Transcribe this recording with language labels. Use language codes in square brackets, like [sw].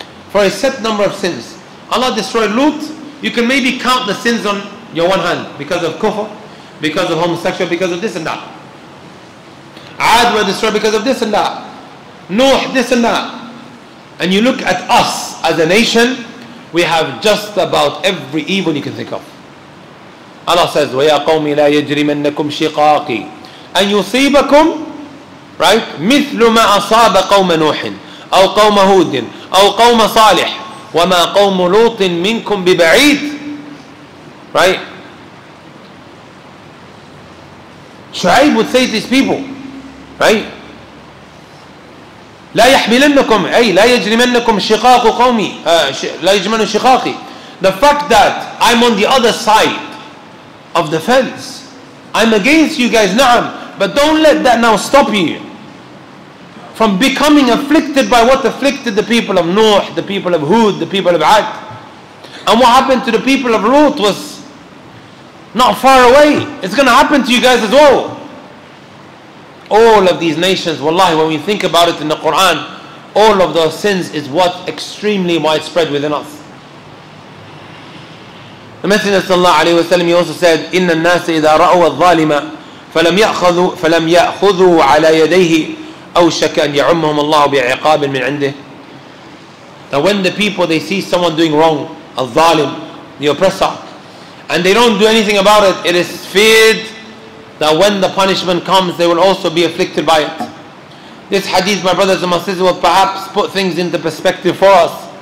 [en] For a set number of sins. Allah destroyed Lut. You can maybe count the sins on your one hand because of kufr, because of homosexual, because of this and that. Ad were destroyed because of this and that. Nuh, this and that. And you look at us as a nation, we have just about every evil you can think of. Allah says, [ar] وَيَا قَوْمِ لَا يَجْرِمَنَّكُمْ شِقَاقِي أَنْ يُصِيبَكُمْ, right, مِثْلُ مَا أَصَابَ قَوْمَ نُوحٍ أَوْ قَوْمَ هُودٍ أَوْ قَوْمَ صَالِحٍ وَمَا قَوْمُ لُوطٍ مِنْكُمْ بِبَعِيدٍ, right? [en] Shu'aib would say to these people, right? [ar] لا يحملنكم أي لا يجرمنكم شقاق قومي لا يجرمن شقاقي. [en] The fact that I'm on the other side of the fence, I'm against you guys, نعم, but don't let that now stop you from becoming afflicted by what afflicted the people of Nuh, the people of Hud, the people of Ad. And what happened to the people of Lut was not far away. It's going to happen to you guys as well. All of these nations, wallahi, when we think about it in the Quran, all of those sins is what extremely widespread within us. The Messenger of Allah alayhi wa sallam, he also said, [ar] إِنَّ النَّاسَ إِذَا رَأَوَ الظَّالِمَ فَلَمْ يَأْخُذُوا عَلَى يَدَيْهِ أَوْشَكَ أَنْ يَعُمَّهُمَ اللَّهُ بِعِقَابٍ مِنْ عِنْدِهِ. [en] Now when the people, they see someone doing wrong, a zalim, the oppressor, and they don't do anything about it, it is feared that when the punishment comes, they will also be afflicted by it. This hadith, my brothers and my sisters, will perhaps put things into perspective for us.